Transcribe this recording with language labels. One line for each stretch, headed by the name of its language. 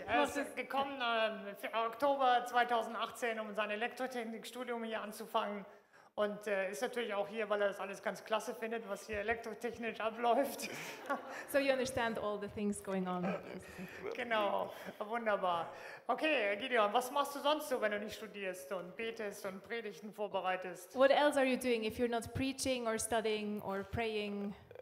German: Er ist gekommen im Oktober 2018, um sein Elektrotechnikstudium hier anzufangen. Und ist natürlich auch hier, weil er das alles ganz klasse findet, was hier elektrotechnisch abläuft.
English: So you understand all the things going on.
German: Genau, wunderbar. Okay, Gideon, was machst du sonst so, wenn du nicht studierst und betest und Predigten vorbereitest?
English: What else are you doing if you're not preaching or studying or praying?